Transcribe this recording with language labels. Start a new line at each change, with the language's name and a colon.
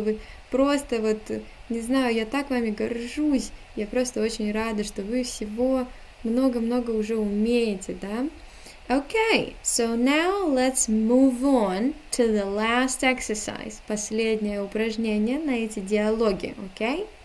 Russian: Вы просто вот, не знаю, я так вами горжусь. Я просто очень рада, что вы всего много-много уже умеете, да?
English: Okay, so now let's move on to the last exercise.
Russian: Последнее упражнение на эти диалоги, okay?